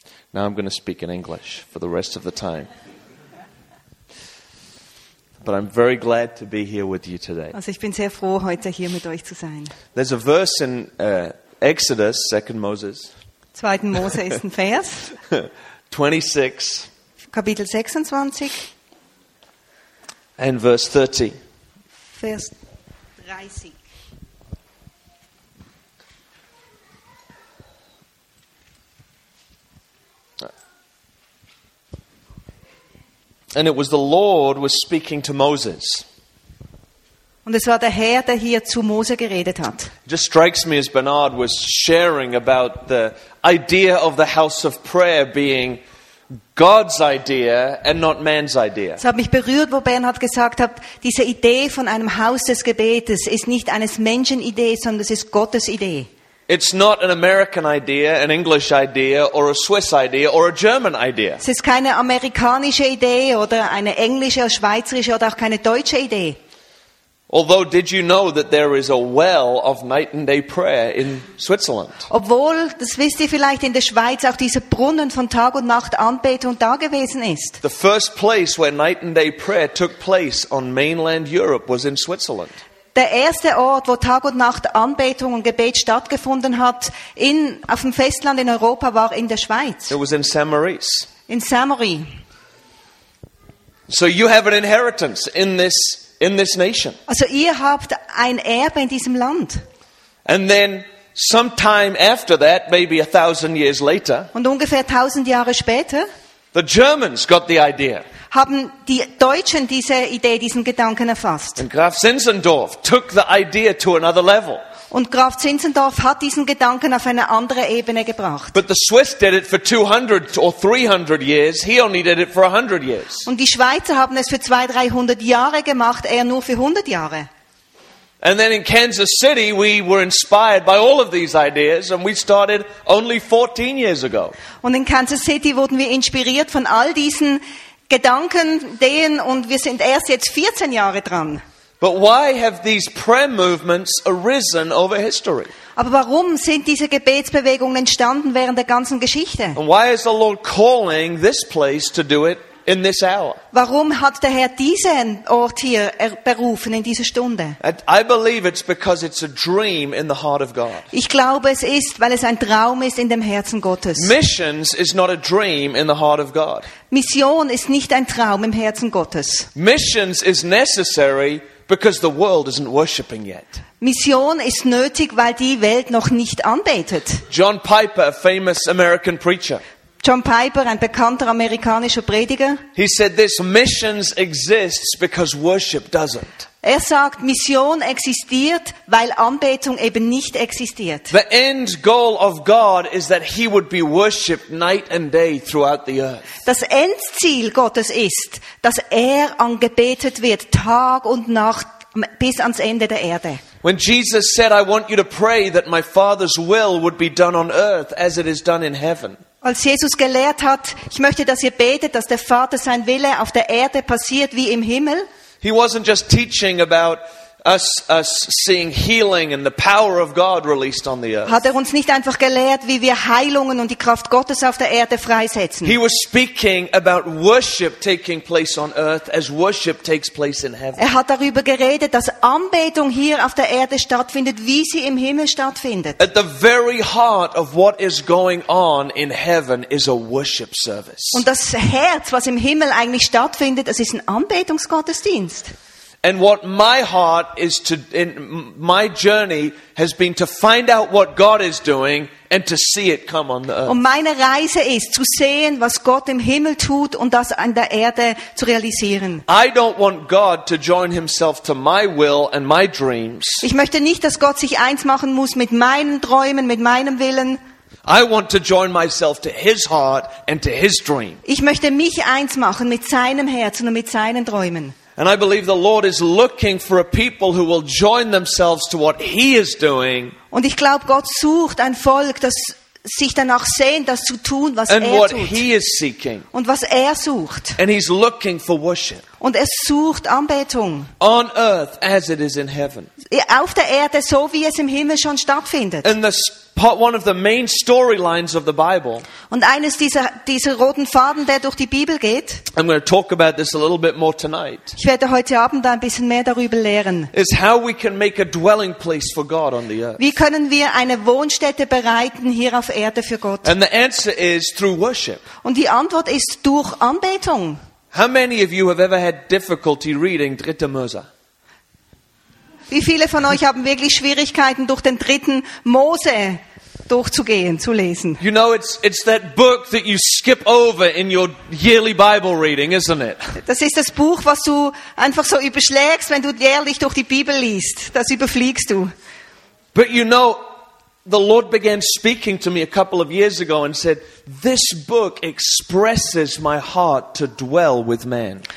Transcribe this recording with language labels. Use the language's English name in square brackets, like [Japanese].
[English] Now I'm going to speak in English for the rest of the time. But I'm very glad to be here with you today. [German] Also ich bin sehr froh, heute hier mit euch zu sein. [English] There's a verse in Exodus, 2 Moses. [German] 2. Mose ist ein Vers. [English] 26. [German] Kapitel 26. [English] And verse 30. [German] Vers 30. [English] And it was the Lord was speaking to Moses. [German] Und es war der Herr, der hier zu Mose geredet hat. [English] It just strikes me as Bernard was sharing about the idea of the house of prayer being God's idea and not man's idea. [German] Es hat mich berührt, wo Bernhard gesagt hat, diese Idee von einem Haus des Gebetes ist nicht eines Menschen Idee, sondern es ist Gottes Idee. [English] It's not an American idea, an English idea, or a Swiss idea, or a German idea. [German] Es ist keine amerikanische Idee oder eine englische, schweizerische oder auch keine deutsche Idee. [English] Although, did you know that there is a well of night and day prayer in Switzerland? [German] Obwohl, das wisst ihr vielleicht, in der Schweiz auch dieser Brunnen von Tag und Nacht Anbetung da gewesen ist. [English] The first place where night and day prayer took place on mainland Europe was in Switzerland. [German] Der erste Ort, wo Tag und Nacht Anbetung und Gebet stattgefunden hat, auf dem Festland in Europa, war in der Schweiz. [English] It was in Saint-Maurice. [German] In Saint-Maurice. [English] So you have an inheritance in this nation. [German] Also ihr habt ein Erbe in diesem Land. [English] And then sometime after that, maybe 1,000 years later. [German] Und ungefähr 1,000 Jahre später. [English] The Germans got the idea. [German] Haben die Deutschen diese Idee, diesen Gedanken erfasst. [English] And Graf Zinzendorf took the idea to another level. [German] Und Graf Zinzendorf hat diesen Gedanken auf eine andere Ebene gebracht. [English] But the Swiss did it for 200 or 300 years. He only did it for 100 years. [German] Und die Schweizer haben es für 200-300 Jahre gemacht, er nur für 100 Jahre. [English] And then in Kansas City we were inspired by all of these ideas and we started only 14 years ago. [German] Und in Kansas City wurden wir inspiriert von all diesen Gedanken, Ideen, und wir sind erst jetzt 14 Jahre dran. [English] But why have these prayer movements arisen over history? [German] Aber warum sind diese Gebetsbewegungen entstanden während der ganzen Geschichte? [English] And why is the Lord calling this place to do it in this hour? [German] Warum hat der Herr diesen Ort hier berufen in dieser Stunde? [English] I believe it's because it's a dream in the heart of God. [German] Ich glaube, es ist, weil es ein Traum ist in dem Herzen Gottes. [English] Missions is not a dream in the heart of God. [German] Mission ist nicht ein Traum im Herzen Gottes. [English] Missions is necessary because the world isn't worshiping yet. [German] Mission ist nötig, weil die Welt noch nicht anbetet. [English] John Piper, a famous American preacher. [German] John Piper, ein bekannter amerikanischer Prediger. [English] He said this: missions exists because worship doesn't. [German] Er sagt, Mission existiert, weil Anbetung eben nicht existiert. [English] The end goal of God is that he would be worshipped night and day throughout the earth. [German] Das Endziel Gottes ist, dass er angebetet wird Tag und Nacht bis ans Ende der Erde. [English] When Jesus said, I want you to pray that my Father's will would be done on earth as it is done in heaven. [German] Als Jesus gelehrt hat, ich möchte, dass ihr betet, dass der Vater sein Wille auf der Erde passiert wie im Himmel. [English] He wasn't just teaching about us seeing healing and the power of God released on the earth. [German] Hat er uns nicht einfach gelehrt, wie wir Heilungen und die Kraft Gottes auf der Erde freisetzen? [English] He was speaking about worship taking place on earth as worship takes place in heaven. [German] Er hat darüber geredet, dass Anbetung hier auf der Erde stattfindet, wie sie im Himmel stattfindet. [English] At the very heart of what is going on in heaven is a worship service. [German] Und das Herz, was im Himmel eigentlich stattfindet, das ist ein Anbetungsgottesdienst. [English] And what my heart is to, in my journey has been to find out what God is doing and to see it come on the earth. [German] Und meine Reise ist zu sehen, was Gott im Himmel tut und das an der Erde zu realisieren. [English] I don't want God to join himself to my will and my dreams. [German] Ich möchte nicht, dass Gott sich eins machen muss mit meinen Träumen, mit meinem Willen. [English] I want to join myself to his heart and to his dream. [German] Ich möchte mich eins machen mit seinem Herzen und mit seinen Träumen. [English] And I believe the Lord is looking for a people who will join themselves to what he is doing. [German] Und ich glaube, Gott sucht ein Volk, das sich danach sehnt, das zu tun, was er tut. [English] And what he is seeking. [German] Und was er sucht. [English] And he's looking for worship. [German] Und er sucht Anbetung. [English] On earth as it is in heaven. [German] Auf der Erde, so wie es im Himmel schon stattfindet. [English] And the one of the main storylines of the Bible. [German] Und eines dieser roten Faden, der durch die Bibel geht. [English] I'm going to talk about this a little bit more tonight. [German] Ich werde heute Abend ein bisschen mehr darüber lehren. [English] Is how we can make a dwelling place for God on the earth. [German] Wie können wir eine Wohnstätte bereiten hier auf Erde für Gott? [English] And the answer is through worship. [German] Und die Antwort ist durch Anbetung. [English] How many of you have ever had difficulty reading 3. Mose? [German] Wie viele von euch haben wirklich Schwierigkeiten, durch den 3. Mose durchzugehen, zu lesen? [English] You know, it's that book that you skip over in your yearly Bible reading, isn't it? [German] Das ist das Buch, was du einfach so überschlägst, wenn du jährlich durch die Bibel liest. Das überfliegst du. [English] But you know, the Lord began speaking to me a couple of years ago and said, this book expresses my heart to dwell with man.